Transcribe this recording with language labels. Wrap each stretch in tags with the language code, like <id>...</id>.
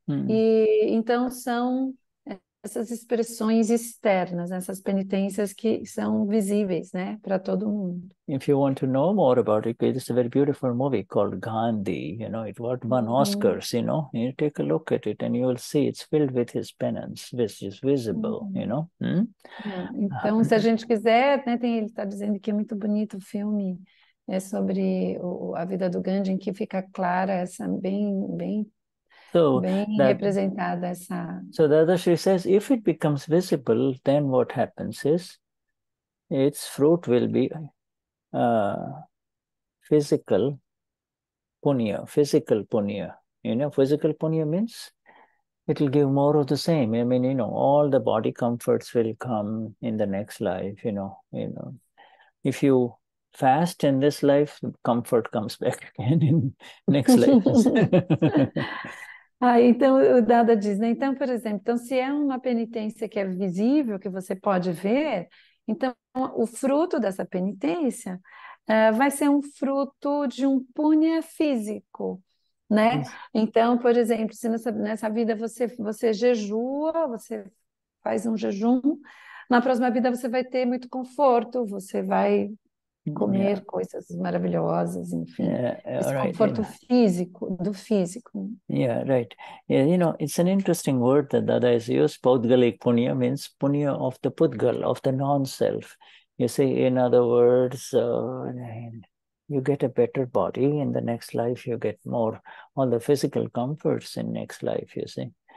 <pt>E então são essas expressões externas, essas penitências que são visíveis, né, para todo mundo.</pt> <en>If you want to know more about it, there's a very beautiful movie called Gandhi, you know, it won Oscars, you know. You take a look at it and you will see it's filled with his penance, which is visible, you know.</en> <pt>Então, se a gente quiser, né, tem, ele está dizendo que é muito bonito o filme. É sobre a vida do Gandhi, em que fica clara essa bem representada essa.</pt> <en>So Dadashri says, if it becomes visible, then what happens is its fruit will be physical punya. You know, physical punya means it will give more of the same. I mean, you know, all the body comforts will come in the next life, you know. If you fast in this life, comfort comes back again in next life.</en> <pt>Ah, então o Dada diz, né? Então, por exemplo, então, se é uma penitência que é visível, que você pode ver, então o fruto dessa penitência vai ser um fruto de um punha físico, né? Isso. Então, por exemplo, se nessa vida você jejua, você faz um jejum, na próxima vida você vai ter muito conforto, você vai comer coisas maravilhosas, enfim, desconforto físico.</pt> <en>Yeah, right. Yeah, you know, it's an interesting word that Dada has used. Pudgalik punya means punya of the pudgal, of the non-self. You see, in other words, you get a better body in the next life, you get more all the physical comforts in next life, you see.</en>